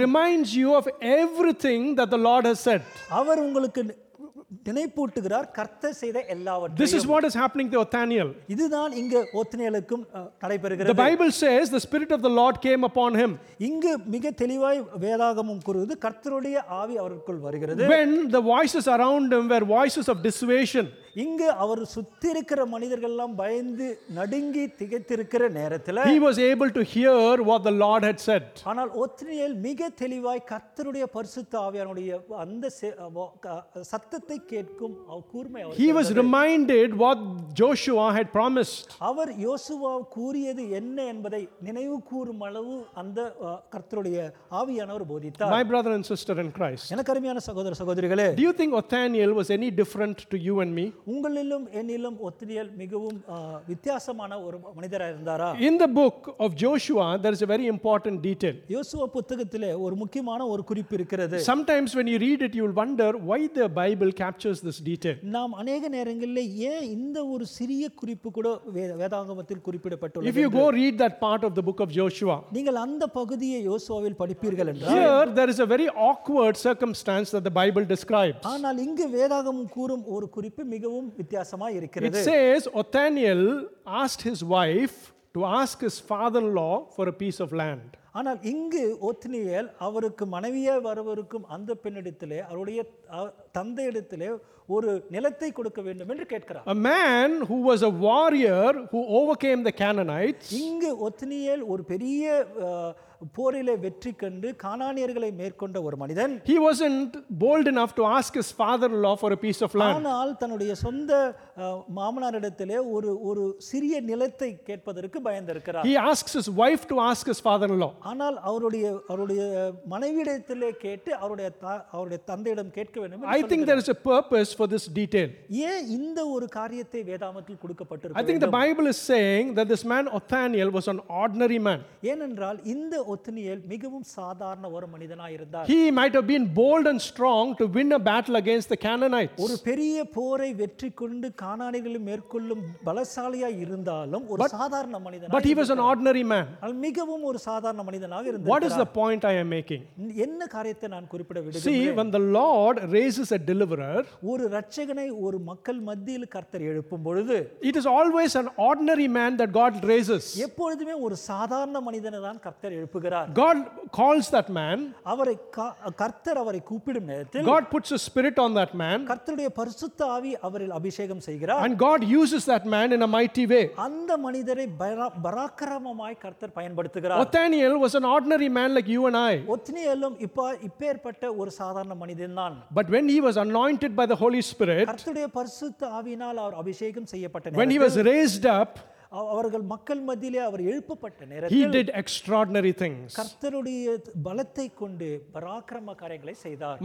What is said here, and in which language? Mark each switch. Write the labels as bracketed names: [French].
[English] He reminds you of everything that the Lord has said. [Tamil] அவர் உங்களுக்கு நினைப்பூட்டுகிறார் கர்த்தர் செய்த எல்லாவற்றையும். [English] This is what is happening to Othniel. [Tamil] இதுதான் இங்கு ஒத்னியலுக்கும் நடைபெறுகிறது. [English] The Bible says the spirit of the Lord came upon him. [Tamil] இங்கு மிக தெளிவாய் வேதாகமம் கூறுகிறது கர்த்தருடைய ஆவி அவருக்குள் வருகிறது. [English] When the voices around him were voices of dissuasion. [Tamil] இங்கு அவர் சுத்தி இருக்கிற மனிதர்கள் எல்லாம் பயந்து நடுங்கி திகைத்திருக்கிற நேரத்தில், [English] He was able to hear what the Lord had said. [Tamil] ஆனால் ஒத்னியல் மிக தெளிவாய் கர்த்தருடைய பரிசுத்த ஆவியானுடைய அந்த சத்தத்தை கேட்கும் கூர்மை. [English] He was reminded what Joshua had promised. [Tamil] அவர் யோசுவா கூறியது என்ன என்பதை நினைவு கூறும் அளவு அந்த கர்த்தருடைய ஆவியானவர் போதித்தார். [English] My brother and sister in Christ. [Tamil] எனக்கு அருமையான சகோதர சகோதரிகளே, [English] Do you think Othniel was any different to you and me? [Tamil] உங்களிலும் என்னிலும் ஒத்னியேல் மிகவும் வித்தியாசமான ஒரு மனிதராக இருந்தாரா? [English] In the book of Joshua there is a very important detail. [Tamil] யோசுவா புத்தகத்திலே ஒரு முக்கியமான ஒரு குறிப்பு இருக்கிறது. [English] Sometimes when you read it you will wonder why the Bible captures this detail. [Tamil] நாம் அநேக நேரங்களிலே ஏன் இந்த ஒரு சிறிய குறிப்பு கூட வேதாகமத்தில் குறிப்பிடப்பட்டுள்ளது? [English] If you go read that part of the book of Joshua. [Tamil] நீங்கள் அந்த பகுதியை யோசுவாவில் படிப்பீர்கள் என்றால், [English] Here there is a very awkward circumstance that the Bible describes. [Tamil] ஆனால் இங்கு வேதாகமம் கூறும் ஒரு குறிப்பு மிகவும் வித்தியாசமாக இருக்கிறது. [English] It says Othniel asked his wife to ask his father-in-law for a piece of land. [Tamil] ஆனால் இங்கு ஒத்னியேல் அவருக்கு மனைவியே வரவருக்கும் அந்த பெண்ணிடத்தில் அவருடைய தந்தை இடத்தில் ஒரு நிலத்தை கொடுக்க வேண்டும் என்று கேட்கிறார். [English] A man who was a warrior who overcame the Canaanites. [Tamil] இங்கு ஒத்னியேல் ஒரு பெரிய போரிலே வெற்றி கண்டு கானானியர்களை மேற்கொண்ட ஒரு மனிதன். [English] He wasn't bold enough to ask his father-in-law for a piece of land. [Tamil] ஆனால் தன்னுடைய சொந்த மாமனாரிடத்திலே ஒரு ஒரு சிறிய நிலத்தை கேட்பதற்கு பயந்திருக்கிறார். [English] He asks his wife to ask his father-in-law. [Tamil] ஆனால் அவருடைய மனைவியிடத்திலே கேட்டு அவருடைய தந்தையிடம் கேட்க வேண்டும். [English] I think there is a purpose for this detail. [Tamil] ஏன் இந்த ஒரு காரியத்தை வேதாமத்தில் கொடுக்கப்பட்டிருக்கு? [English] I think the Bible is saying that this man Othniel was an ordinary man. [Tamil] ஏனென்றால் இந்த ஒத்னியேல் மிகவும் சாதாரண ஒரு மனிதனாய் இருந்தார். [English] He might have been bold and strong to win a battle against the Canaanites. [Tamil] ஒரு பெரிய போரை வெற்றி கொண்டு கானானிகளை மேற்கொள்ளும் பலசாலியாய் இருந்தாலும் ஒரு சாதாரண மனிதன். [English] But he was an ordinary man. [Tamil] மிகவும் ஒரு சாதாரண மனிதனாக இருந்தார். [English] What is the point I am making? [Tamil] என்ன காரியத்தை நான் குறிப்பிட விரும்புகிறேன்? [English] See, when the Lord raises a deliverer, [Tamil] ஒரு இரட்சகனை ஒரு மக்கள் மத்தியில் கர்த்தர் எழுப்பும் பொழுது, [English] it is always an ordinary man that God raises. [Tamil] எப்பொழுதுமே ஒரு சாதாரண மனிதனை தான் கர்த்தர் எழுப்புகிறார். [English] God calls that man. [Tamil] அவரை கர்த்தர் அவரை கூப்பிடும் நேரத்தில், [English] God puts a spirit on that man. [Tamil] கர்த்தருடைய பரிசுத்த ஆவி அவரில் அபிஷேகம் செய்கிறார். [English] And God uses that man in a mighty way. [Tamil] அந்த மனிதரை பராக்கிரமமாய் கர்த்தர் பயன்படுத்துகிறார். [English] Othniel was an ordinary man like you and I. [Tamil] ஒத்னியேலும் இப்பேற்பட்ட ஒரு சாதாரண மனிதன் தான். [English] But when he was anointed by the Holy Spirit, [Tamil] கர்த்தருடைய பரிசுத்த ஆவியினால் அவர் அபிஷேகம் செய்யப்பட்ட நேரத்தில், [English] when he was raised up, [Tamil] அவர்கள் மக்கள் மத்தியிலே அவர் எழுப்பப்பட்ட நேரத்தில், [English] he did extraordinary things. [Tamil] கர்த்தருடைய பலத்தை கொண்டு பராக்கிரம காரியங்களை செய்தார்.